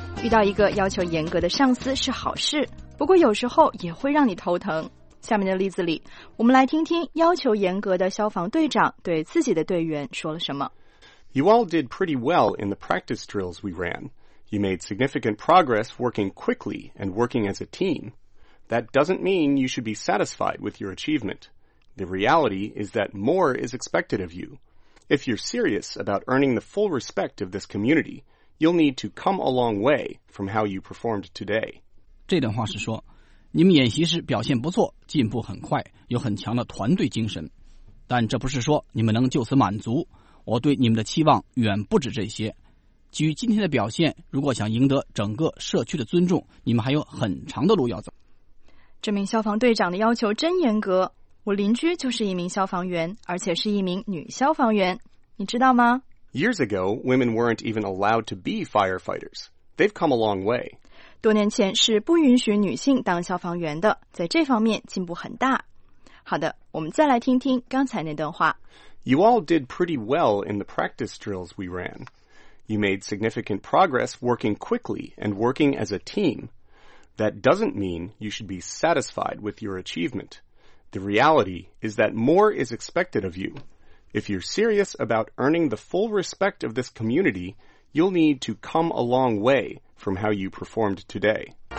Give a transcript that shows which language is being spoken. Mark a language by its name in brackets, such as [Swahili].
[Chinese] 到一个要求严格的上司是好事，不过有时候也会让你头疼。下面的例子里，我们来听听要求严格的消防队长对自己的队员说了什么。 [English] You all did pretty well in the practice drills we ran. You made significant progress working quickly and working as a team. That doesn't mean you should be satisfied with your achievement. The reality is that more is expected of you. If you're serious about earning the full respect of this community, you'll need to come a long way from how you performed today. [Chinese] 这段话是说，你们演习时表现不错，进步很快，有很强的团队精神，但这不是说你们能就此满足，我对你们的期望远不止这些。基于今天的表现，如果想赢得整个社区的尊重，你们还有很长的路要走。这名消防队长的要求真严格，我邻居就是一名消防员，而且是一名女消防员，你知道吗？ [English] Years ago, women weren't even allowed to be firefighters. They've come a long way. [Chinese] 多年前是不允许女性当消防员的，在这方面进步很大。好的，我们再来听听刚才那段话。 [English] You all did pretty well in the practice drills we ran. You made significant progress working quickly and working as a team. That doesn't mean you should be satisfied with your achievement. The reality is that more is expected of you. If you're serious about earning the full respect of this community, you'll need to come a long way from how you performed today.